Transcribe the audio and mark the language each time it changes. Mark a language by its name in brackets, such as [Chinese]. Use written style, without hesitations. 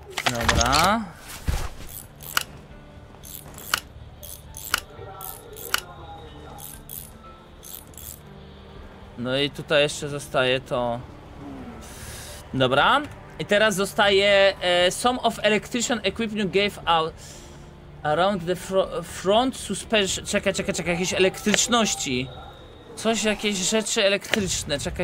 [Polish] Dobra. No i tutaj jeszcze zostaje to. Dobra. I teraz zostaje [English] some of electrician equipment gave out around the front suspension. [Polish] Czekaj, jakieś elektryczności. Coś, jakieś rzeczy elektryczne.